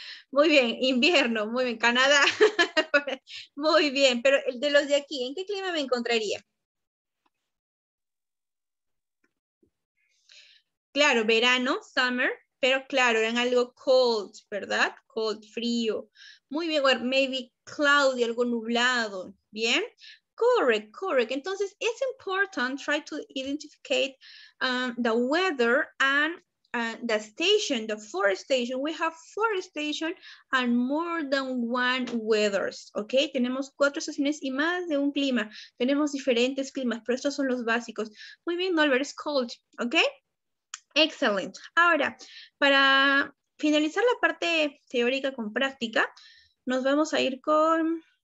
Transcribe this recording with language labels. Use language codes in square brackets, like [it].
[es] Muy bien, invierno, muy bien, Canadá. Muy bien, pero el de los de aquí, ¿en qué clima me encontraría? Claro, verano, summer, pero claro, eran algo cold, ¿verdad? Cold, frío. Muy bien, [en] well, maybe cloudy, [es] algo nublado, ¿bien? [en] Correct, correct. Entonces, it's important to try to identificate the weather and the station, the forest station. We have forest station and more than one weathers, ¿ok? [es] Tenemos cuatro estaciones y más de un clima. Tenemos diferentes climas, pero estos son los básicos. Muy bien, [en] Albert, it's cold, ¿ok? Excellent. [es] Ahora, para finalizar la parte teórica con práctica, nos vamos a ir con...